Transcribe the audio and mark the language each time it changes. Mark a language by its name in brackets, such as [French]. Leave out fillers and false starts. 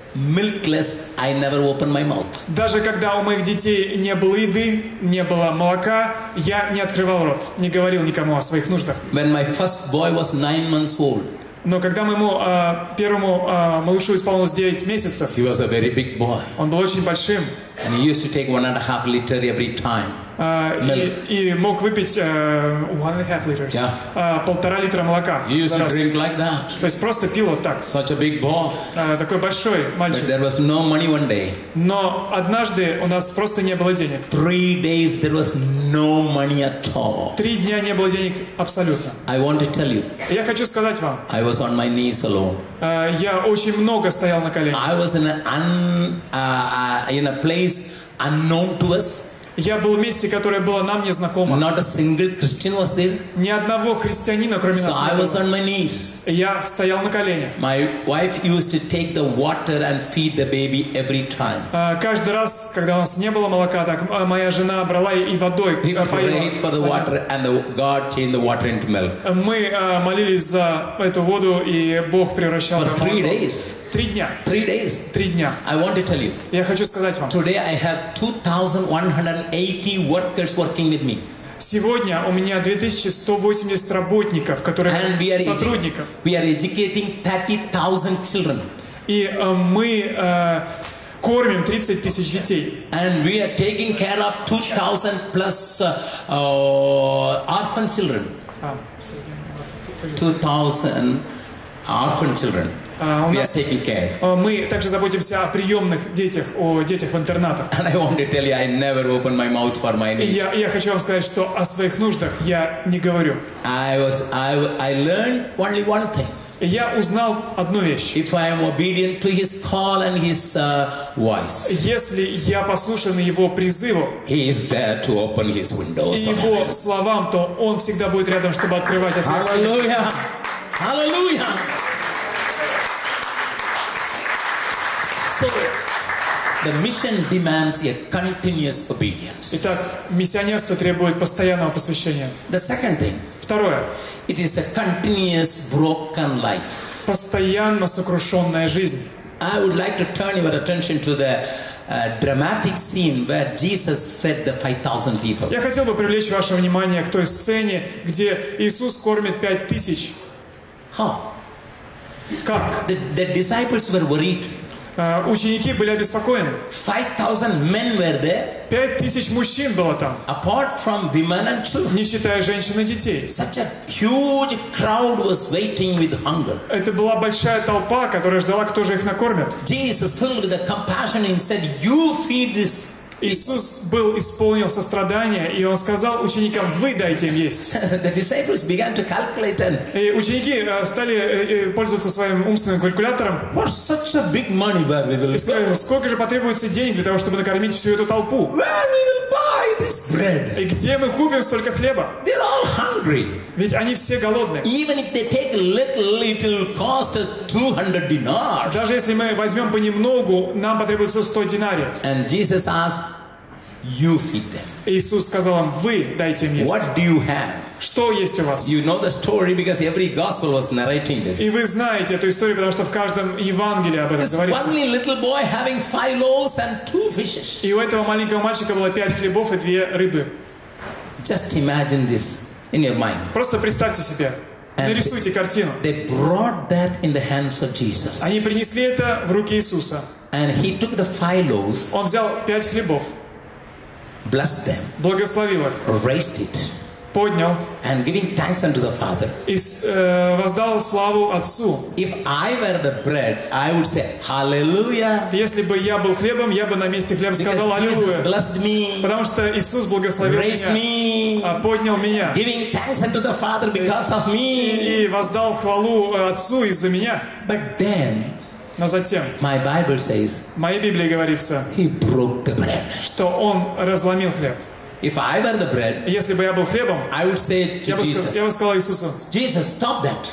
[English] Milkless, I never opened my mouth. [Russian] Даже когда у моих детей не было еды, не было молока, я не открывал рот, не говорил никому о своих нуждах. [English] When my first boy was 9 months old. [Russian] Но когда моему первому малышу исполнилось 9 месяцев. [English] He was a very big boy. [Russian] Он был очень большим. [English] And he used to take 1.5 liter every time. [Russian] И мог выпить 1.5 [English] liters. Yeah. [Russian] 1.5 литра молока. [English] He used to drink like that. [Russian] То есть просто пил вот так. [English] Such a big boy. [Russian] Такой большой мальчик. [English] But there was no money one day. [Russian] Но однажды у нас просто не было денег. [English] 3 days there was no money at all. [Russian] 3 дня не было денег абсолютно. [English] I want to tell you. [Russian] Я хочу сказать вам. [English] I was on my knees alone. [Russian] Я очень много стоял на коленях. [English] I was in a place unknown to us. [Russian] Я был в месте, которое было нам незнакомо. [English] Not a single Christian was there. [Russian] Ни одного христианина, кроме [English] so [Russian] нас. [English] I was on my knees. [Russian] Я стоял на коленях. [English] My wife used to take the water and feed the baby every time. [Russian] Каждый раз, когда у нас не было молока, так моя жена брала и водой поила. Мы молились за эту воду, и Бог превращал ее в молоко. Три дня. [English] I want to tell you. [Russian] Я хочу сказать вам. [English] Today I have 2,180 workers working with me. [Russian] Сегодня у меня 2,180 работников, которые сотрудников. [English] We are educating 30,000 children. [Russian] И мы кормим 30 тысяч детей. [English] And we are taking care of 2,000 plus orphan children. 2,000 orphan children. [Russian] Мы также заботимся о приемных детях, о детях в интернатах. Я хочу вам сказать, что о своих нуждах я не говорю. [English] I learned only one thing. [Russian] Я узнал одну вещь. [English] If I am obedient to his call and his voice. [Russian] Если я послушен его призыву. [English] He is there to open his windows. [Russian] И его словам, то он всегда будет рядом, чтобы открывать эти двери. Аллилуйя! Аллилуйя! [English] So, the mission demands a continuous obedience. [Russian] Итак, миссионерство требует постоянного посвящения. [English] The second thing. [Russian] Второе. [English] It is a continuous broken life. [Russian] Постоянно сокрушенная жизнь. [English] I would like to turn your attention to the dramatic scene where Jesus fed the 5,000 people. [Russian] Я хотел бы привлечь ваше внимание к той сцене, где Иисус кормит 5,000. [English] How? [Russian] Как? [English] The disciples were worried. [Russian] Ученики были обеспокоены. [English] 5,000 [Russian] мужчин было там. [English] Apart from women and children. [Russian] Не считая женщин и детей. [English] Such a huge crowd was waiting with hunger. [Russian] Это была большая толпа, которая ждала, кто же их накормит. [English] Jesus filled with compassion and said, "You feed this." [Russian] Иисус был исполнен сострадания, и он сказал ученикам: вы дайте им есть. [English] The disciples began to calculate and... [Russian] И ученики стали пользоваться своим умственным калькулятором. [English] What's such a big money where we will... [Russian] И сказали: сколько же потребуется денег для того, чтобы накормить всю эту толпу? [English] Where we will buy this bread? [Russian] И где мы купим столько хлеба? [English] They're all hungry. [Russian] Ведь они все голодны. [English] Even if they take little, it will cost us 200 dinars. [Russian] Даже если мы возьмем понемногу, нам потребуется 100 динариев. [English] And Jesus asked, You feed them. [Russian] Иисус сказал им: вы дайте им есть. [English] What do you have? [Russian] Что есть у вас? [English] You know the story because every gospel was narrating this. [Russian] И вы знаете эту историю, потому что в каждом Евангелии об этом говорится. [English] One little boy having 5 loaves and 2 fishes. [Russian] И у этого маленького мальчика было 5 хлебов и 2 рыбы. [English] Just imagine this in your mind. [Russian] Просто представьте себе. Нарисуйте картину. [English] They brought that in the hands of Jesus. [Russian] Они принесли это в руки Иисуса. [English] And he took the 5 loaves. [Russian] Он взял 5 хлебов. [English] Blessed them. [Russian] Благословил их. [English] Raised it. [Russian] Поднял. [English] And giving thanks unto the Father. [Russian] Воздал славу Отцу. [English] If I were the bread, I would say Hallelujah. [Russian] Если бы я был хлебом, я бы на месте хлеба сказал Аллилуйя. [English] Because Jesus blessed me. [Russian] Потому что Иисус благословил [English] Raised [Russian] меня. [English] Me. [Russian] Поднял меня. [English] Giving thanks unto the Father because of me. [Russian] И воздал хвалу Отцу из-за меня. [English] But then. [Russian] Но затем, [English] My Bible says, [Russian] в моей Библии говорится, [English] he broke the bread. [Russian] Что он разломил хлеб. [English] If I were the bread, [Russian] если бы я был хлебом, [English] I would say it to Jesus. [Russian] Я бы сказал Иисусу, [English] Jesus, stop that.